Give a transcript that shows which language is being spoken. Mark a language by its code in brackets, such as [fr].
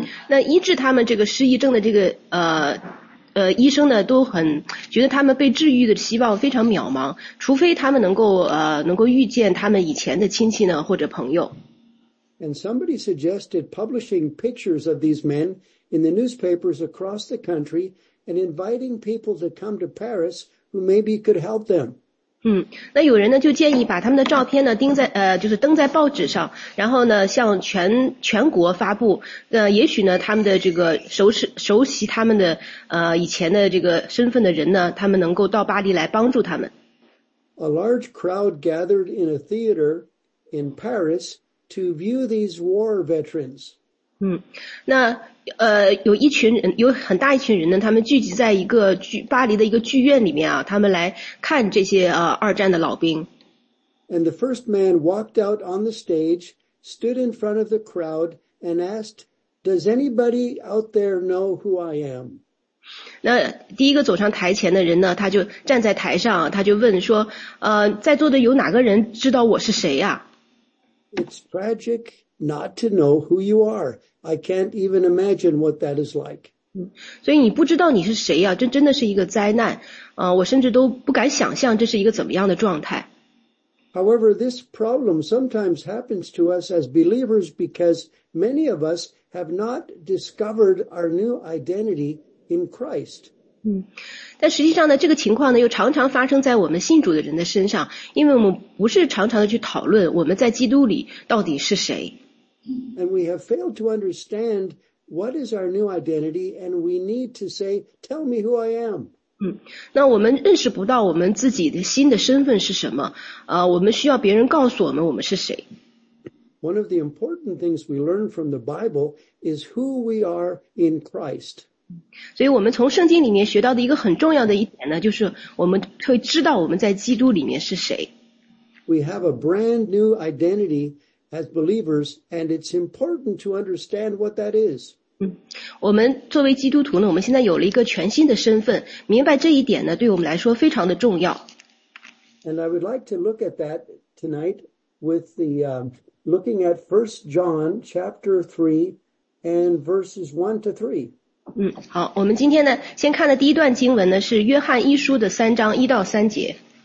[zh] 那医治他们这个失忆症的这个医生呢都很觉得他们被治愈的希望非常渺茫，除非他们能够遇见他们以前的亲戚呢或者朋友。 [en] And somebody suggested publishing pictures of these men in the newspapers across the country and inviting people to come to Paris who maybe could help them. [zh] 那有人呢就建议把他们的照片呢钉在就是登在报纸上，然后呢向全国发布。也许呢他们的这个熟悉他们的以前的这个身份的人呢，他们能够到巴黎来帮助他们。 [en] A large crowd gathered in a theater in Paris to view these war veterans. [zh] 那有一群人，有很大一群人呢，他们聚集在一个巴黎的一个剧院里面啊，他们来看这些二战的老兵。 [en] And the first man walked out on the stage, stood in front of the crowd, and asked, "Does anybody out there know who I am?" [zh] 那第一个走上台前的人呢，他就站在台上，他就问说，在座的有哪个人知道我是谁呀？ [en] It's tragic not to know who you are. I can't even imagine what that is like. [zh] 所以你不知道你是谁啊，这真的是一个灾难。我甚至都不敢想象这是一个怎么样的状态。 [en] However, this problem sometimes happens to us as believers because many of us have not discovered our new identity in Christ. [zh] 但实际上呢，这个情况呢，又常常发生在我们信主的人的身上，因为我们不是常常的去讨论我们在基督里到底是谁。 [en] And we have failed to understand what is our new identity, and we need to say, "Tell me who I am." [zh] 那我们认识不到我们自己的新的身份是什么？我们需要别人告诉我们我们是谁。 [en] One of the important things we learn from the Bible is who we are in Christ. [zh] 所以我们从圣经里面学到的一个很重要的一点呢，就是我们会知道我们在基督里面是谁。 [en] We have a brand new identity. As believers, and it's important to understand what that is. [zh] 我们作为基督徒呢，我们现在有了一个全新的身份，明白这一点呢，对我们来说非常的重要。 [en] And I would like to look at that tonight with the, looking at 1 John chapter 3 and verses 1 to 3. [zh] 好，我们今天呢，先看的第一段经文呢，是约翰一书的三章一到三节。